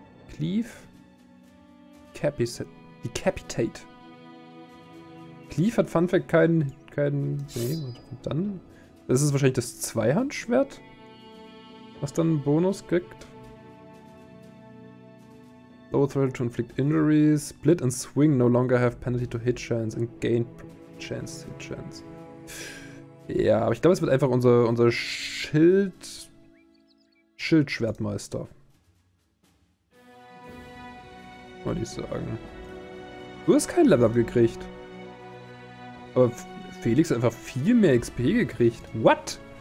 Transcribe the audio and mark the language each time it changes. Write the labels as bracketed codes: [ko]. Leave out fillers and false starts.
[en] Cleave. [de] Decapitate. Cleave hat Fun Fact keinen. Nee, und dann. Das ist wahrscheinlich das Zweihandschwert, was dann einen Bonus kriegt. [en] Low threat to inflict injuries. Split and swing no longer have penalty to hit chance and gain chance to hit chance. [de] Ja, aber ich glaube, es wird einfach unser Schild. Schildschwertmeister. Wollte ich sagen. Du hast kein Level gekriegt. Aber Felix hat einfach viel mehr XP gekriegt. What?